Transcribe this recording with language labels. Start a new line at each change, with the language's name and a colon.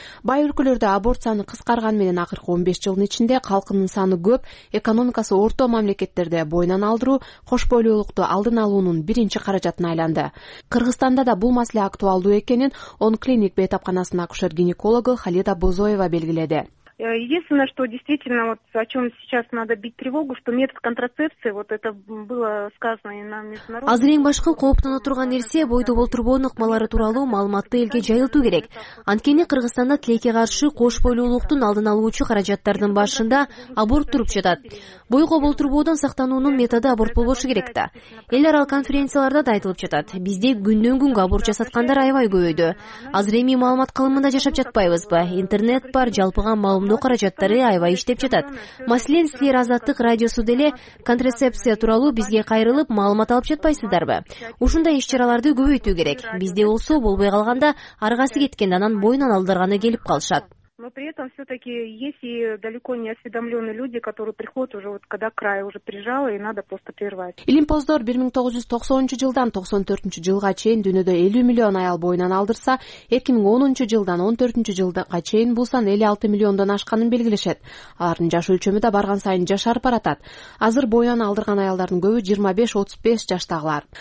Kyrgyz: Бай өлкөлөрдө аборт саны кыскарган менен акыркы 15 жылдын ичинде калкынын саны көп, экономикасы орто мамлекеттерде боюнан алдыруу кош бойлуулукту алдын алуунун биринчи каражатына айланды. Кыргызстанда да бул маселе актуалдуу экенин он клиник бейтапканасынын акушер гинекологу Халида Бузоева белгиледи.
Russian: Единственное, что действительно вот о чем сейчас надо бить тревогу, что метод контрацепции, вот это было сказано и на международном.
Kyrgyz: Азыр эң башкы кооптоно турган нерсе бойду болтурбоонун ыкмалары тууралуу маалыматты элге жайылтуу керек. Анткени Кыргызстанда тилекке каршы кош бойлуулуктун алдын алуучу каражаттардын башында аборт туруп жатат. Бойго болтурбоодон сактануунун методу аборт болбошу керек да. Эл аралык конференцияларда да айтылып жатат. Бизде күндөн күнгө аборт жасаткандар аябай көбөйдү. Азыр эми маалымат калымында жашап жатпайбызбы? Интернет бар, жалпыга маалымдоо каражаттары аябай иштеп жатат. Маселен, силер Азаттык радиосу деле контрацепция тууралуу бизге кайрылып маалымат алып жатпайсыздарбы? Ушундай иш чараларды көбөйтүү керек. Бизде болсо болбой калганда ар кайсы кеткенде анан боюнан алдырганы келип калышат.
Russian: Но при этом все-таки есть и далеко не осведомленные люди, которые приходят уже вот когда край уже прижало и надо просто прервать.
Kyrgyz: Илимпоздор 1990 жылдан 94 жылга чейин дүйнөдө 50 миллион аял боюнан алдырса, 2010 жылдан 14 жылга чейин бул сан 56 миллиондон ашканын белгилешет. Алардын жаш өлчөмү да барган сайын жашарып баратат. Азыр боюнан алдырган аялдардын көбү 25-35 жаштагылар.